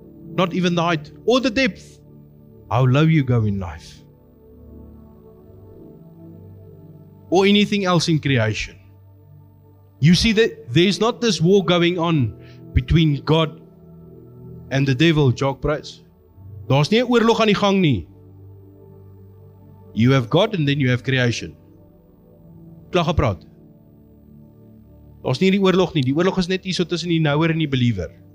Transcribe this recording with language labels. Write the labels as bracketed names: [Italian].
[English] Not even the height or the depth. How low you go in life. Or anything else in creation. You see that there's not this war going on between God and the devil, Jock Price. [Afrikaans] Daar's nie 'n oorlog aan die gang nie. [English] You have God and then you have creation. [Afrikaans] Klaar gepraat. Daar's nie die oorlog nie. Die oorlog is net hier so tussen die knower en die believer.